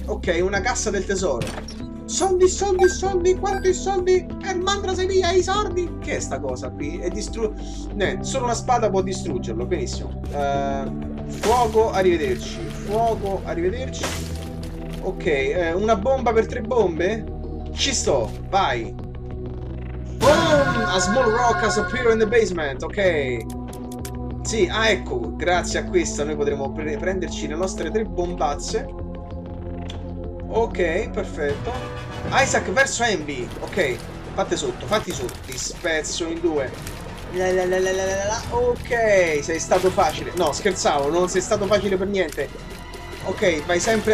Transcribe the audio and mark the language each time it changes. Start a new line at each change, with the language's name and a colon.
Italian: Ok, una cassa del tesoro. Soldi, soldi, soldi, quanti soldi? Mandra, sei via, i soldi! Che è sta cosa qui? È distrutto. Solo una spada può distruggerlo, benissimo. Fuoco, arrivederci. Fuoco, arrivederci. Ok, una bomba per tre bombe? Ci sto, vai. Boom!
English: A small rock has appeared in the basement, ok.
Italian: Sì, ah ecco, grazie a questa noi potremo prenderci le nostre tre bombazze. Ok, perfetto. Isaac verso Envy. Ok. fatti sotto, ti spezzo in due. La, la, la, la, la, la. Ok, sei stato facile. No, scherzavo, non sei stato facile per niente. Ok, vai sempre.